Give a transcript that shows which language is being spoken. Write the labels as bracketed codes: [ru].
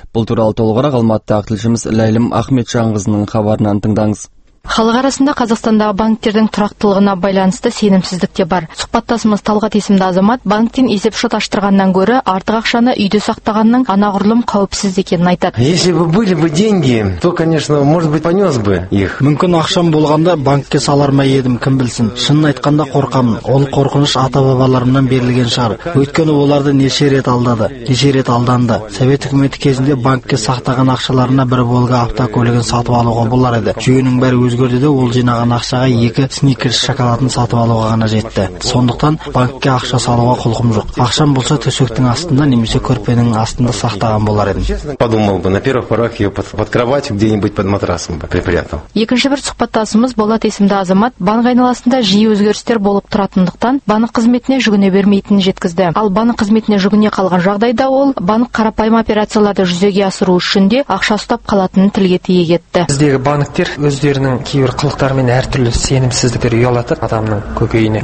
[kk] Бұл туралы толығырақ Алматыдағы тілшіміз Ләйлім Ахметжанқызының хабарынан тыңдаңыз. Халық арасында Қазақстандағы банктердің тұрақтылығына байланысты сенімсіздік те бар. Сұхбаттасымыз Талғат есімді азамат банктен есепшот аштырғаннан гөрі артық ақшаны үйде сақтағанның анағұрлым қауіпсіз екенін айтады. [ru] Если бы были бы деньги, то, конечно, может быть, понес бы их. [kk] Мүмкін ақшам болғанда банкке салар ма едім, кім білсін. Шынын айтқанда қорқамын. Ол қорқыныш ата-бабаларымнан берілген шығар. Өйткені оларды неше рет алдады, неше рет алданды. Совет үкіметі кезінде банкке сақтаған ақшаларына бір Волга автокөлігін сатып алуға болар еді. Жүйенің бәрі өзгерді де ол жинаған ақшаға екі сникерс шоколадын сатып алуға ғана жетті. Сондықтан банкке ақша салуға құлқым жоқ. Ақшам болса төсектің астында немесе көрпенің астында сақтаған болар едім. [ru] Подумал бы на первых порах её под кроватью где-нибудь под матрасом бы припрятал. [kk] Екінші бір сұхбаттасымыз Болат есімді азамат банк айналасында жиі өзгерістер болып тұратындықтан банк қызметіне жүгіне бермейтінін жеткізді. Ал банк қызметіне жүгіне қалған жағдайда ол банк қарапайым операцияларды жүзеге асыру үшін де ақша ұстап қалатынын тілге тиек етті. Біздегі банктер өздері кейбір қылықтарымен әртүрлі сенімсіздіктер ұялатып адамның көкейіне.